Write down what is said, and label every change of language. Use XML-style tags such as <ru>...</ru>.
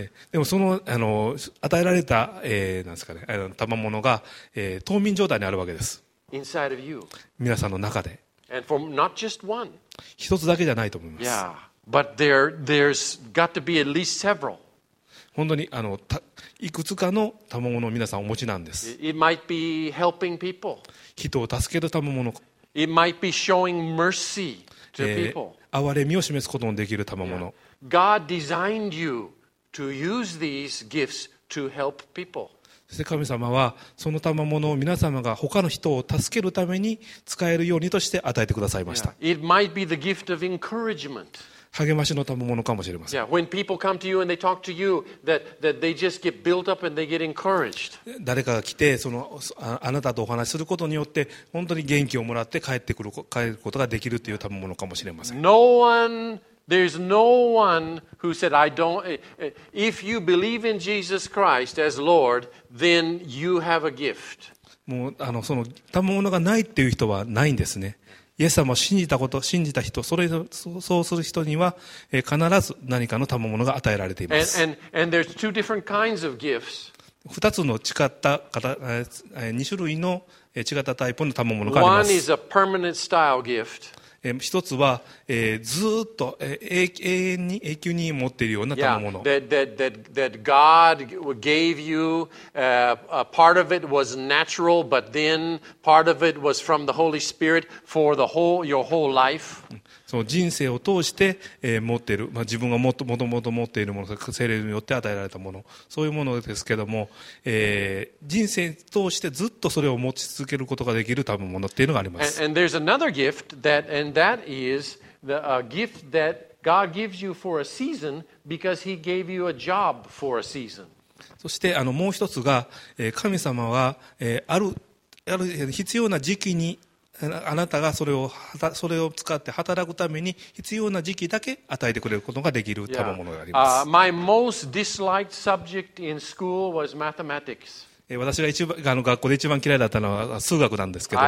<ja>でもその与えられた、なんですかね、賜物が、冬眠状態にあるわけです。</ja> <en>Inside of you.</en> <ja>皆さんの中で。</ja> <en>And for not just one.</en> <ja>一つだけじゃないと思います。</ja> <en>Yeah. But there's got to be at least several.</en> <ja>本当にいくつかの賜物を皆さんお持ちなんです。</ja> <en>It might be helping people.</en> <ja>人を助ける賜物。</ja> <en>It might be showing mercy to people.</en> <ja>憐れみを示すことのできる賜物。</ja> <en>God designed you to use these gifts to help people.</en> <ja>そして神様はその賜物を皆様が他の人を助けるために使えるようにとして与えてくださいました。</ja> <en>It might be the gift of encouragement.</en> <ja>励ましの賜物かもしれません。</ja> <en>Yeah, when people come to you and they talk to you, that they just get built up and they get encouraged.</en> <ja>誰かが来てあなたとお話しすることによって本当に元気をもらって帰ることができるという賜物かもしれません。</ja> <en>There's no one who said, I don't. If you believe in Jesus Christ as Lord, then you have a gift.</en> <ja>もう、その、賜物がないっていう人はないんですね。イエス様を信じたこと、信じた人、そうする人には、必ず何かの賜物が与えられています。</ja> <en>And there's two different kinds of gifts.</en> <ja>二つの違った方、二種類の違ったタイプの賜物があります。</ja> <en>One is a permanent style gift.</en> <ja>一つは、ずっと、永久に持っているような賜物。</ja> <en>Yeah, that God gave you, a part of it was natural, but then part of it was from the Holy Spirit for the whole, your whole life.</en> <ja>その人生を通して、持っている、自分がもともと持っているもの、聖霊によって与えられたもの、そういうものですけども、人生を通してずっとそれを持ち続けることができる賜物っていうのがあります。</ja> <en>And there's another gift that, and that is the, a gift that God gives you for a season because he gave you a job for a season.</en> <ja>そしてもう一つが、神様は、ある必要な時期にあなたがそれを使って働くために必要な時期だけ与えてくれることができる賜物があります。</ja> <en>My most disliked subject in school was mathematics.</en> <ja>私が一番学校で一番嫌いだったのは数学なんですけども、</ja>